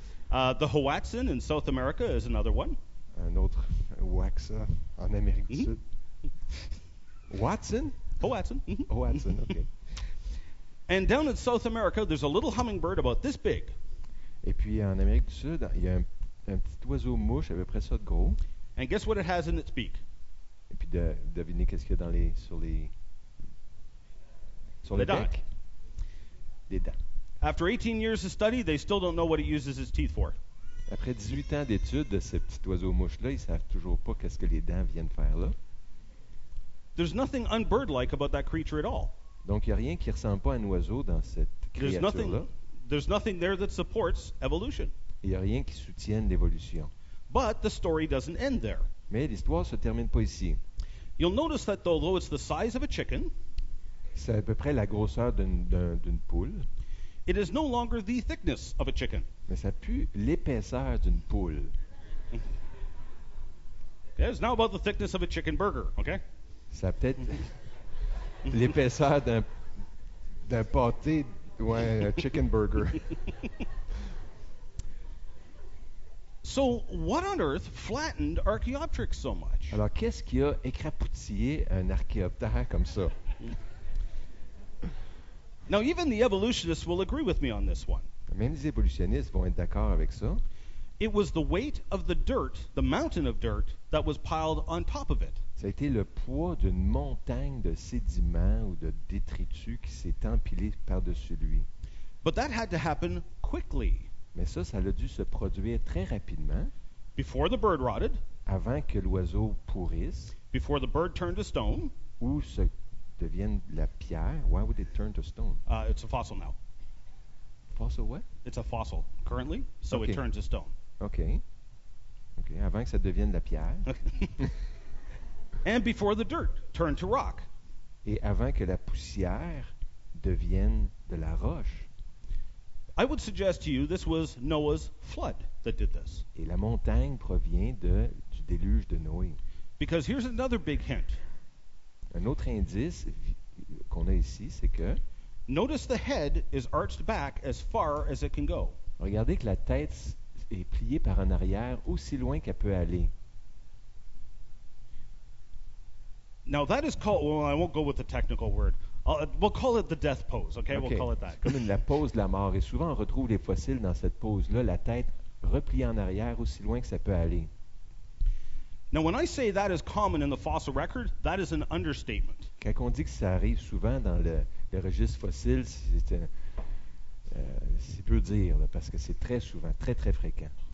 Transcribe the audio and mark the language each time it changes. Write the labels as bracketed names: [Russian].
[English] the hoatzin in South America is another one. [French] Un autre waxa en Amérique du Sud. Watson? [English] Hoatzin. Hoatzin, okay. And down in South America, there's a little hummingbird about this big. [French] Et puis en Amérique du Sud, il y a un petit oiseau mouche à peu près ça de gros. [English] And guess what it has in its beak? [French] Et puis devinez qu'est-ce qu'il y a dans les sur les dents. Des dents. [English] After 18 years of study, they still don't know what it uses its teeth for. [French] Après 18 ans d'études de ce petit oiseau mouche là, ils savent toujours pas qu'est-ce que les dents viennent faire là. [English] There's nothing unbird-like about that creature at all. [French] Donc il y a rien qui ressemble pas à un oiseau dans cette créature là. [English] There's nothing there that supports evolution. [French] Il n'y a rien qui soutienne l'évolution. [English] But the story doesn't end there. [French] Mais l'histoire se termine pas ici. [English] You'll notice that although it's the size of a chicken, [French] c'est à peu près la grosseur d'une poule. [English] It is no longer the thickness of a chicken. [French] Mais ça pue l'épaisseur d'une poule. [English] Okay, it's now about the thickness of a chicken burger, okay? [French] Ça peut-être l'épaisseur d'un pâté. [English] Ouais, a chicken burger. So, what on earth flattened Archaeopteryx so much? [French] Alors, qu'est-ce qui a écrapoutillé un archéoptère comme ça? [English] Now, even the evolutionists will agree with me on this one. [French] Même les évolutionnistes vont être d'accord avec ça. [English] It was the weight of the dirt, the mountain of dirt, that was piled on top of it. [French] Ça a été le poids d'une montagne de sédiments ou de détritus qui s'est empilé par-dessus lui. [English] But that had to happen quickly. [French] Mais ça a dû se produire très rapidement. [English] Before the bird rotted. [French] Avant que l'oiseau pourrisse. [English] Before the bird turned to stone. [French] Ou se devienne la pierre. [English] Why would it turn to stone? It's a fossil now. Fossil what? It's a fossil currently, so okay. It turns to stone. [French] Okay. Okay. Avant que ça devienne la pierre. [English] And before the dirt turned to rock. [French] Et avant que la poussière devienne de la roche. [English] I would suggest to you this was Noah's flood that did this. [French] Et la montagne provient du déluge de Noé. [English] Because here's another big hint. [French] Un autre indice qu'on a ici, c'est que [English] notice the head is arched back as far as it can go. [French] Regardez que la tête est pliée par en arrière aussi loin qu'elle peut aller. [English] Now that is called, well, I won't go with the technical word. We'll call it the death pose, okay? Okay. We'll call it that. [French] Comme la pose de la mort. Et souvent, on retrouve les fossiles dans cette pose-là, la tête repliée en arrière aussi loin que ça peut aller. [English] Now when I say that is common in the fossil record, that is an understatement. [French] Quand on dit que ça arrive souvent dans le registre fossile, c'est peu dire, là, parce que c'est très souvent, très très fréquent.